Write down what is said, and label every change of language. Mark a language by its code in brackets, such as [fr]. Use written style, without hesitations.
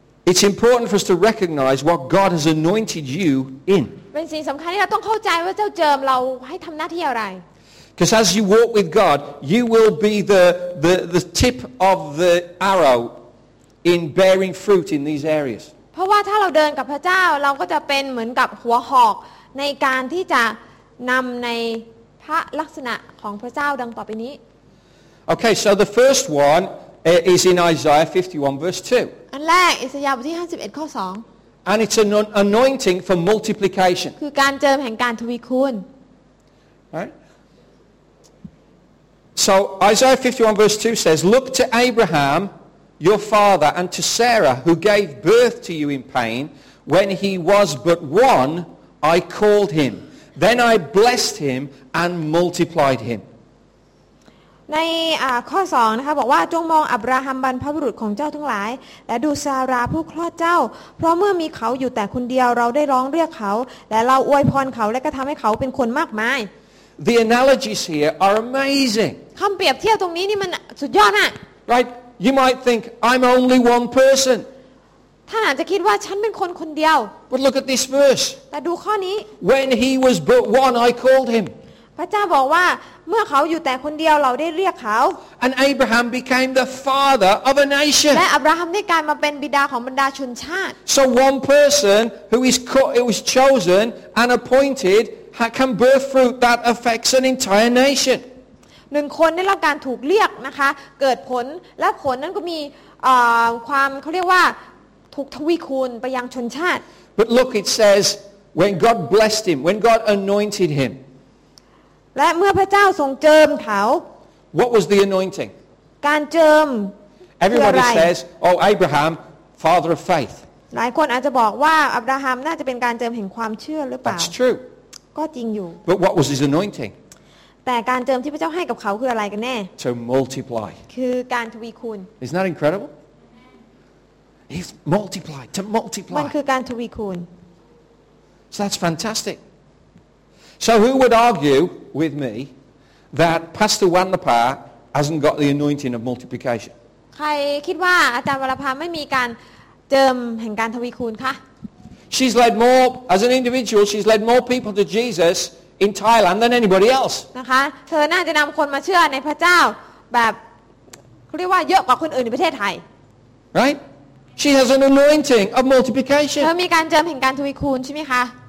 [en] It's important for us to recognize what God has anointed you in. [th] เป็นสิ่งสำคัญที่เราต้องเข้าใจว่าเจ้าเจิมเราให้ทำหน้าที่อะไร [en] Because as you walk with God, you will be the tip of the arrow in bearing fruit in these areas. [th] เพราะว่าถ้าเราเดินกับพระเจ้าเราก็จะเป็นเหมือนกับหัวหอกในการที่จะนำในพระลักษณะของพระเจ้าดังต่อไปนี้ [en] Okay, so the first one is in Isaiah 51 verse 2. [th] อันแรกอิสยาห์บทที่51ข้อ2 [en] And it's an anointing for multiplication [th] คือการเจิมแห่งการทวีคูณ [en] Right So Isaiah 51 verse 2 says Look to Abraham your father and to Sarah who gave birth to you in pain when he was but one I called him then I blessed him and multiplied him [th] ในข้อ2นะคะบอกว่าจงมองอับราฮัมบรรพบุรุษของเจ้าทั้งหลายและดูซาราผู้คลอดเจ้าเพราะเมื่อมีเขาอยู่แต่คนเดียวเราได้ร้องเรียกเขาและเราอวยพรเขาและก็ทำให้เขาเป็นคนมากมาย [en] The analogies here are amazing [th] คำเปรียบเทียบตรงนี้นี่มันสุดยอดอ่ะ [en] Right you might think I'm only one person [th] ท่านอาจจะคิดว่าฉันเป็นคนคนเดียว [en] But look at this verse [th] แต่ดูข้อนี้ [en] When he was but one I called him [th] พระเจ้าบอกว่าเมื่อเขาอยู่แต่คนเดียวเราได้เรียกเขา [en] And Abraham became the father of a nation [th] และอับราฮัมได้กลายมาเป็นบิดาของบรรดาชนชาติ [en] So one person who is it was chosen and appointed can birth fruit that affects an entire nation [th] หนึ่งคนได้รับการถูกเรียกนะคะเกิดผลและผลนั้นก็มีความเขาเรียกว่าถูกทวีคูณไปยังชนชาติ [en] But look it says when God blessed him when God anointed him [th] และเมื่อพระเจ้าทรงเจิมเขา [en] What was the anointing [th] การเจิม [en] Everybody says oh Abraham father of faith [th] หลายคนอาจจะบอกว่าอับราฮัมน่าจะเป็นการเจิมแห่งความเชื่อหรือเปล่า [en] That's true [th] ก็จริงอยู่ [en] But what was his anointing [th] แต่การเจิมที่พระเจ้าให้กับเขาคืออะไรกันแน่ [en] To multiply [th] คือการทวีคูณ [en] Is that incredibleHe's multiplied to multiply. [th] มันคือการทวีคูณ [en] So that's fantastic. So who would argue with me that Pastor Wanlapa hasn't got the anointing of multiplication? [th] ใครคิดว่าอาจารย์วรภาไม่มีการเติมแห่งการทวีคูณคะ [en] She's led more as an individual. She's led more people to Jesus in Thailand than anybody else. [th] นะคะเธอน่าจะนำคนมาเชื่อในพระเจ้าแบบเขาเรียกว่าเยอะกว่าคนอื่นในประเทศไทย [en] Right? She has an anointing of multiplication. [th] เธอมีการเจิมแห่งการทวีคูณใช่ไหมคะ